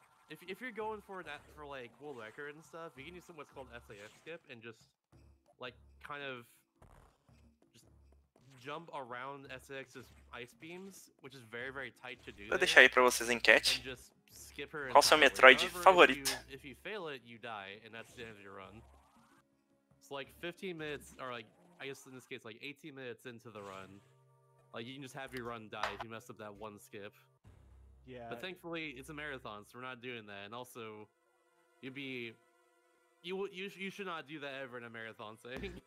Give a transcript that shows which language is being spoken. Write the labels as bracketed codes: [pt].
[en] If you're going for that for like world record and stuff, you can use some what's called SAF skip and just like kind of just jump around SAX's ice beams, which is very very tight to do. [pt] Vou deixar aí pra vocês a enquete. Qual seu Metroid favorito? [en] If you fail it, you die, and that's the end of your run. So like 15 minutes, or like I guess in this case like 18 minutes into the run, like you can just have your run die if you mess up that one skip. Yeah. But thankfully, it's a marathon, so we're not doing that. And also, you should not do that ever in a marathon thing.